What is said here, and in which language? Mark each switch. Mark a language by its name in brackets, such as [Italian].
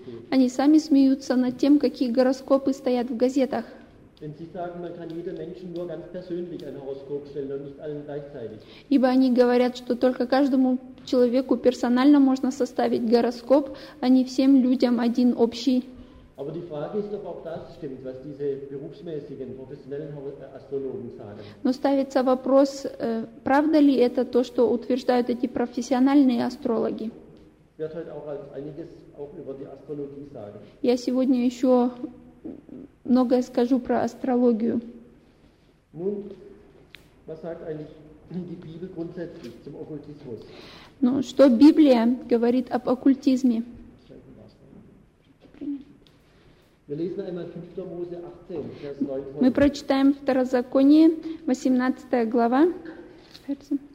[Russian] Они сами смеются над тем, какие гороскопы стоят в газетах. [German] Wenn Sie sagen, man kann jedem Menschen nur ganz persönlich ein Horoskop stellen und nicht allen gleichzeitig. [Russian] Ибо они говорят, что только каждому человеку персонально можно составить гороскоп, а не всем людям один общий. [German] Aber die Frage ist, ob auch das stimmt, was diese berufsmäßigen, professionellen Astrologen sagen. [Russian] Но ставится вопрос, правда ли это то, что утверждают эти профессиональные астрологи? [German] Wird heute auch als einiges auch über die Astrologie sagen. [Russian] Я сегодня еще многое скажу про астрологию. [German] Nun, was sagt eigentlich die Bibel grundsätzlich zum Okkultismus? [Russian] Ну, что Библия говорит об оккультизме? [German] Wir lesen einmal 5. Mose 18, Vers 9. [Russian] Мы прочитаем Второзаконие, 18 глава. [German] 5.